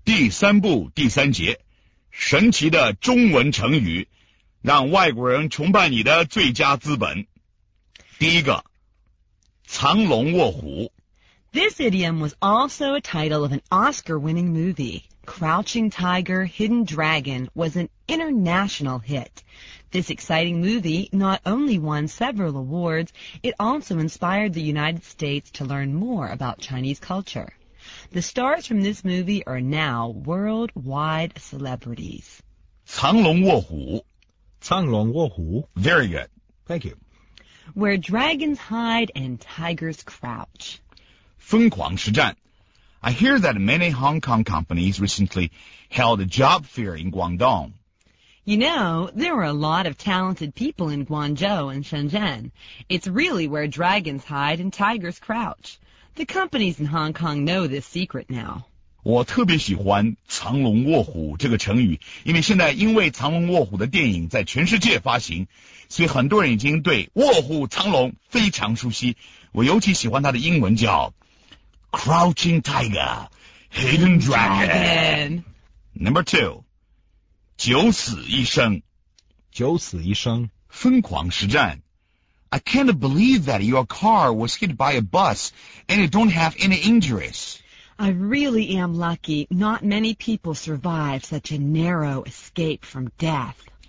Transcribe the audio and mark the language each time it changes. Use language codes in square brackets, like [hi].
[zh] 三部第三节，神奇的中文成语，让外国人崇拜你的最佳资本。第一个，藏龙卧虎。 [en] This idiom was also a title of an Oscar-winning movie. Crouching Tiger, Hidden Dragon was an international hit. This exciting movie not only won several awards, it also inspired the United States to learn more about Chinese culture. The stars from this movie are now worldwide celebrities. [zh] 藏龙卧虎。藏龙卧虎。 [en] Very good. Thank you. Where dragons hide and tigers crouch. [zh] 疯狂实战。 [en] I hear that many Hong Kong companies recently held a job fair in Guangdong. You know, there are a lot of talented people in Guangzhou and Shenzhen. It's really where dragons hide and tigers crouch. The companies in Hong Kong know this secret now. [zh] 我特别喜欢藏龙卧虎这个成语，因为现在因为藏龙卧虎的电影在全世界发行，所以很多人已经对卧虎藏龙非常熟悉。我尤其喜欢它的英文叫Crouching Tiger, Hidden Dragon. [en] Number two, 九死一生。 [zh] 九死一生。疯狂实战。 [en] I can't believe that your car was hit by a bus and you don't have any injuries. I really am lucky. Not many people survive such a narrow escape from death.